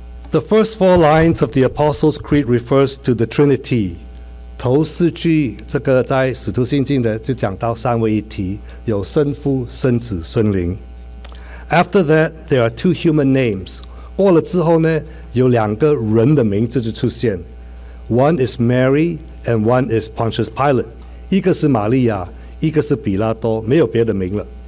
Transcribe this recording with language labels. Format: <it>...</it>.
<en>The first four lines of the Apostles' Creed refers to the Trinity.</en> <zh>头四句，这个在《使徒信经》的就讲到三位一体，有圣父、圣子、圣灵。</zh> <en>After that, there are two human names.</en> <zh>过了之后呢，有两个人的名字就出现。</zh> <en>One is Mary and one is Pontius Pilate.</en> <zh>一个是玛利亚，一个是比拉多，没有别的名了。</zh>